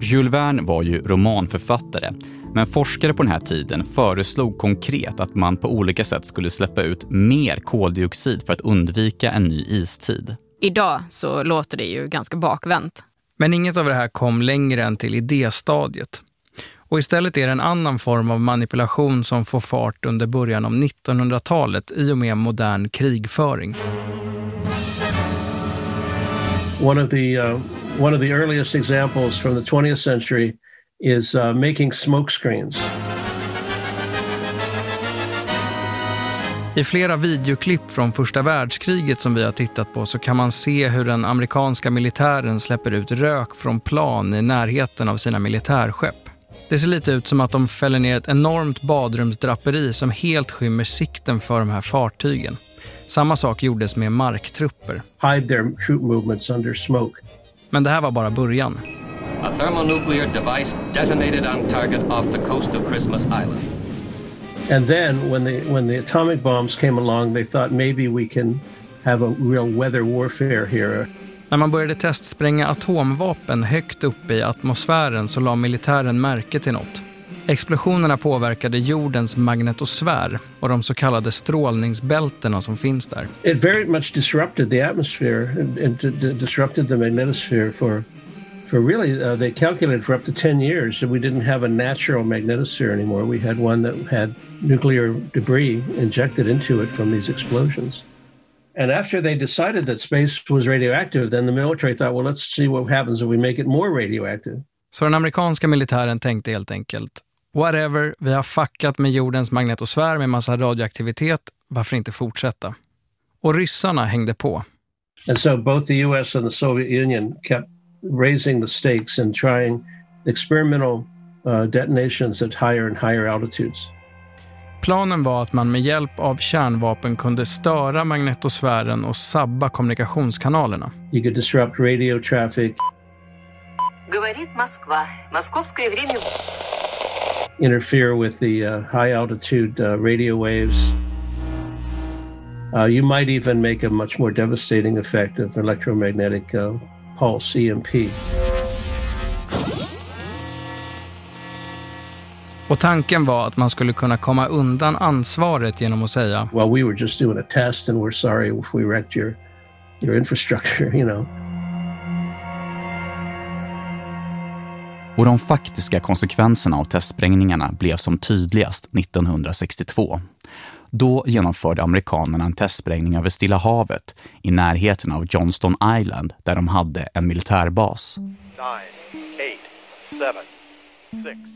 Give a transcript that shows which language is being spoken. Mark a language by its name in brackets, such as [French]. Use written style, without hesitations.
[Swedish] Jules Verne var ju romanförfattare, men forskare på den här tiden föreslog konkret att man på olika sätt skulle släppa ut mer koldioxid för att undvika en ny istid. Idag så låter det ju ganska bakvänt. Men inget av det här kom längre än till idéstadiet. Å Och istället är det en annan form av manipulation som får fart under början av 1900-talet i och med modern krigföring. [English] One of the earliest examples from the 20th century is making smoke screens. [Swedish] I flera videoklipp från första världskriget som vi har tittat på så kan man se hur den amerikanska militären släpper ut rök från plan i närheten av sina militärskepp. Det ser lite ut som att de fäller ner ett enormt badrumsdraperi som helt skymmer sikten för de här fartygen. Samma sak gjordes med marktrupper. [English] Hide their troop movements under smoke. [Swedish] Men det här var bara början. [English] A thermonuclear device detonated on target off the coast of Christmas Island. And then when the atomic bombs came along, they thought maybe we can have a real weather warfare here. [Swedish] När man började testspränga atomvapen högt uppe i atmosfären så la militären märke till något. Explosionerna påverkade jordens magnetosfär och de så kallade strålningsbältena som finns där. [English] It very much disrupted the atmosphere and disrupted the magnetosphere for really they calculated for up to 10 years that we didn't have a natural magnetosphere anymore. We had one that had nuclear debris injected into it from these explosions. And after they decided that space was radioactive, then the military thought, well, let's see what happens if we make it more radioactive. [Swedish] Så den amerikanska militären tänkte helt enkelt, whatever, vi har fuckat med jordens magnetosfär med massa radioaktivitet, varför inte fortsätta? Och ryssarna hängde på. [English] And so both the US and the Soviet Union kept raising the stakes and trying experimental detonations at higher and higher altitudes. [Swedish] Planen var att man med hjälp av kärnvapen kunde störa magnetosfären och sabba kommunikationskanalerna. [English] You could disrupt radio traffic. [Russian] Говорит Москва. Московское время. [English] Interfere with the high altitude radio waves. You might even make a much more devastating effect of electromagnetic pulse EMP. [Swedish] Och tanken var att man skulle kunna komma undan ansvaret genom att säga, [English] well, we were just doing a test and we're sorry if we wrecked your infrastructure, you know. [Swedish] Och de faktiska konsekvenserna av testsprängningarna blev som tydligast 1962. Då genomförde amerikanerna en testsprängning över Stilla havet i närheten av Johnston Island där de hade en militärbas. [English] 9, 8, 7, 6.